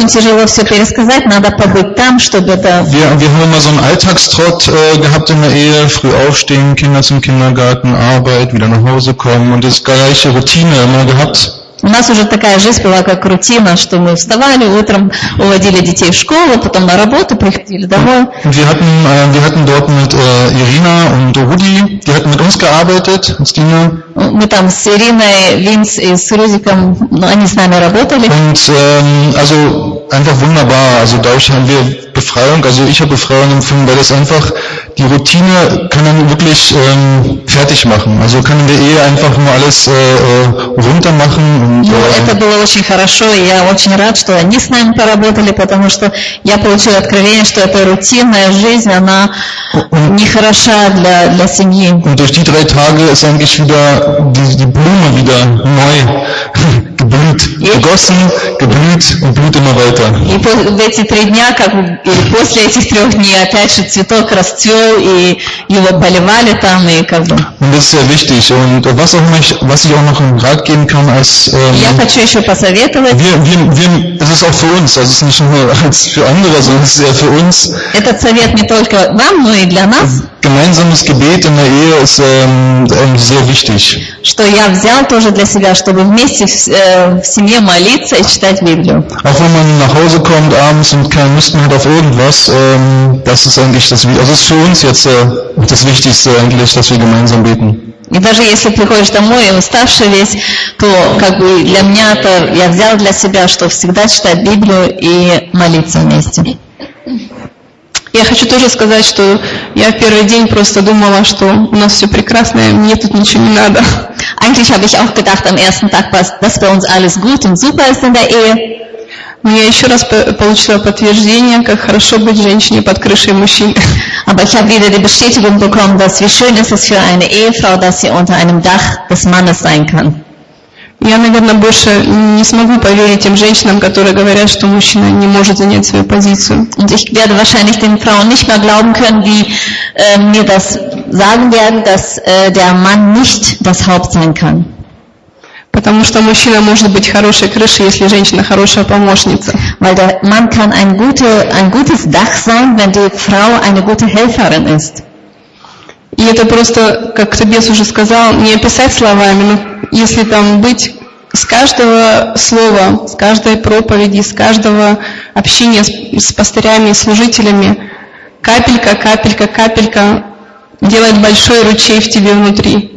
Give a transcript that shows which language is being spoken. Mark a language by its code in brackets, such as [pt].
[de] Wir haben immer so einen Alltagstrott gehabt in der Ehe, früh aufstehen, Kinder zum Kindergarten, Arbeit, wieder nach Hause kommen und das gleiche Routine immer gehabt. [ru] У нас уже такая жизнь была, как рутина, что мы вставали утром, уводили детей в школу, потом на работу приходили домой. [de] Wir hatten dort mit Irina und Rudi, die hatten mit uns gearbeitet, als Diener. [ru] Мы там с Ириной, Винс и с Рузиком, ну, они с нами работали. [de] Und, also einfach wunderbar, also dadurch haben wir Befreiung, also ich habe Befreiung empfunden, weil das einfach, die Routine kann man wirklich fertig machen, also können wir eh einfach nur alles runter machen. [ru] Это было очень хорошо, и я очень рад, что они с нами поработали, потому что я получил откровение, что эта рутинная жизнь, она нехороша для семьи. [de] Und durch die drei Tage ist eigentlich wieder die Blume wieder neu geblüht, gegossen, geblüht und blüht immer weiter. [ru] И в эти три дня, как или после этих трех дней, опять же цветок расцвел, и его поливали там, и как бы... [de] Und das ist sehr wichtig. Und was ich auch noch einen Rat geben kann, als [ru] я хочу еще посоветовать. [de] Es ist auch für uns, also es ist nicht nur für andere, sondern es ist ja für uns. [ru] Этот совет не только вам, но и для нас. [de] Gemeinsames Gebet in der Ehe ist sehr wichtig. [ru] Что я взял тоже для себя, чтобы вместе в семье молиться и читать Библию. [de] Auch wenn man nach Hause kommt abends und kein Müssen hat auf irgendwas, das ist eigentlich das, also ist für uns jetzt das Wichtigste eigentlich, dass wir gemeinsam beten. [ru] И даже если приходишь домой уставший весь, то как бы для меня это я взял для себя, что всегда читать Библию и молиться вместе. Я хочу тоже сказать, что я в первый день просто думала, что у нас все прекрасно, мне тут ничего не надо. [de] Eigentlich habe ich auch gedacht am ersten Tag, dass bei uns alles gut und super ist in der Ehe. [ru] Но я еще раз получила подтверждение, как хорошо быть женщиной под крышей мужчины. [de] Aber ich habe wieder die Bestätigung bekommen, dass wie schön ist es für eine Ehefrau, dass sie unter einem Dach des Mannes sein kann. [ru] Я, наверное, больше не смогу поверить тем женщинам, которые говорят, что мужчина не может занять свою позицию. [de] Und ich werde wahrscheinlich den Frauen nicht mehr glauben können, die mir das sagen werden, dass der Mann nicht das Haupt sein kann. [ru] Потому что мужчина может быть хорошей крышей, если женщина хорошая помощница. [de] Weil der Mann kann ein gutes Dach sein, wenn die Frau eine gute Helferin ist. [ru] И это просто, как Тобиас уже сказал, не описать словами, но если там быть с каждого слова, с каждой проповеди, с каждого общения с пастырями, служителями, капелька, капелька, капелька делает большой ручей в тебе внутри.